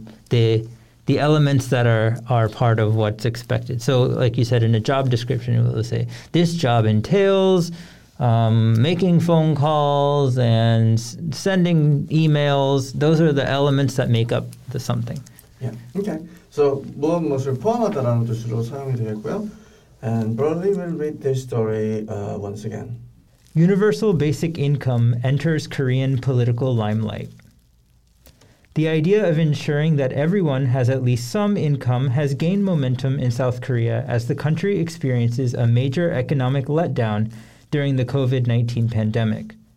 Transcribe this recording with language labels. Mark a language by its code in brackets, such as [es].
[en] the elements that are part of what's expected. So like you said, in a job description, it will say, this job entails making phone calls and sending emails. Those are the elements that make up the something. Yeah, okay. [ko] So 무엇을 포함하다라는 뜻으로 사용이 되겠고요. [en] And broadly, we'll read this story once again. Universal basic income enters Korean political limelight. The idea of ensuring that everyone has at least some income has gained momentum in South Korea as the country experiences a major economic letdown during the COVID-19 pandemic.